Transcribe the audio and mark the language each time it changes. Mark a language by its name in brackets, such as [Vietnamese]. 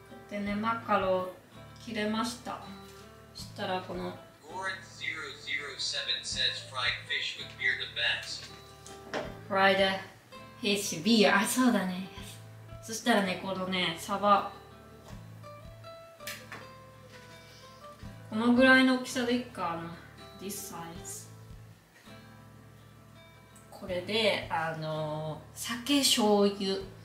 [Japanese] でね、マカロ切れました。したらこの。 [English] Goran 007 says fried fish with beer the best. Fried fish beer. [Japanese] あ、そうだね。そしたらね、このね、サバ。このぐらいの大きさでいいかな。 [English] This size。 [Japanese] これで、酒、醤油。